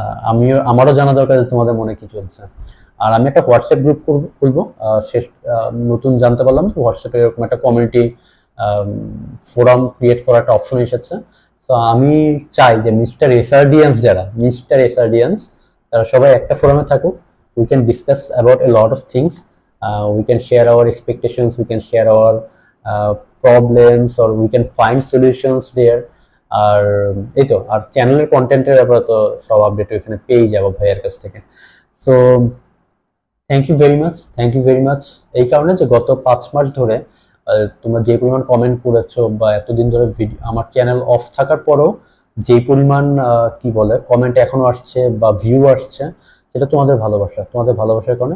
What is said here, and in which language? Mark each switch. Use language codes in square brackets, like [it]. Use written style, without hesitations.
[bn] আমিও আমারও জানা দরকার যে তোমাদের মনে কী চলছে। আর আমি একটা হোয়াটসঅ্যাপ গ্রুপ খুলবো, শেষ নতুন জানতে পারলাম যে হোয়াটসঅ্যাপে এরকম একটা কমিউনিটি ফোরাম ক্রিয়েট করার একটা অপশন এসেছে। সো আমি চাই যে মিস্টার এসআরডিয়ান্স যারা, মিস্টার এসআরডিয়ান্স তারা সবাই একটা ফোরামে থাকুক, [en] we can discuss about a lot of things. We can share our expectations, we can share our problems, or we can find solutions there. [bn] আর এই তো আর চ্যানেলের কন্টেন্টের ব্যাপারে তো সব আপডেট ওইখানে পেয়ে যাবো ভাইয়ের কাছ থেকে। [en] So thank you very much, thank you very much. [bn] এই কারণে যে গত 5 মাস ধরে তোমরা যে পরিমাণ কমেন্ট করেছো বা এতদিন ধরে ভিডিও আমার চ্যানেল অফ থাকার পরও যে পরিমাণ কি বলে কমেন্ট এখনো আসছে বা ভিউ আসছে, সেটা তোমাদের ভালোবাসা, তোমাদের ভালোবাসার কারণে।